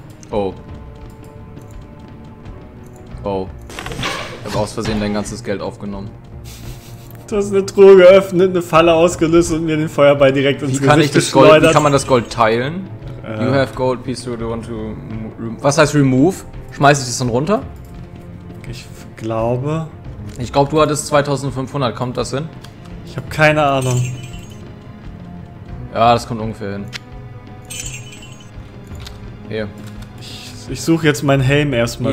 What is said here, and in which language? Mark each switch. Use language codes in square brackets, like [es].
[de] Oh. Oh. Ich habe aus Versehen dein ganzes Geld aufgenommen. Du hast eine Truhe geöffnet, eine Falle ausgelöst und mir den Feuerball direkt ins Gesicht geschleudert. Wie kann man das Gold teilen? [en] You have gold piece you want to... [de] Was heißt remove? Schmeiß ich das dann runter? Ich glaube, du hattest 2500. Kommt das hin? Ich habe keine Ahnung. Ja, das kommt ungefähr hin. Hier. Ich suche jetzt meinen Helm erstmal.